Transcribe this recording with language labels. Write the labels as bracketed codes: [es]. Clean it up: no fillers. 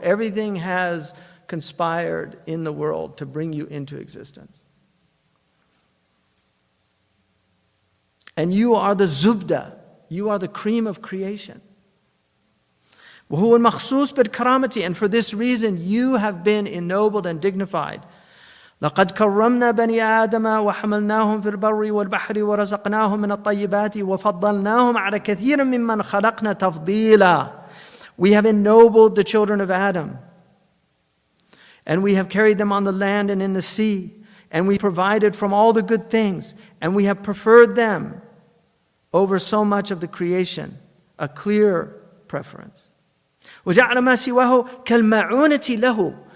[en] Everything has conspired in the world to bring you into existence. And you are the zubda. You are the cream of creation. [ar] وَهُوَ الْمَخْصُوصُ بِالْكَرَامَةِ. [en] And for this reason, you have been ennobled and dignified. [ar] لَقَدْ كَرَّمْنَا بَنِي آدَمَ وَحَمَلْنَاهُمْ فِي الْبَرِّ وَالْبَحْرِ وَرَزَقْنَاهُمْ مِنَ الطَّيِّبَاتِ وَفَضَّلْنَاهُمْ عَلَى كَثِيرٍ مِّمَّنْ خَلَقْنَا تَفْضِيلًا. [en] We have ennobled the children of Adam. And we have carried them on the land and in the sea. And we provided from all the good things. And we have preferred them over so much of the creation. A clear preference. [ar] وَجَعْلَ مَا سِوَهُ كَالْمَعُونَةِ لَهُ.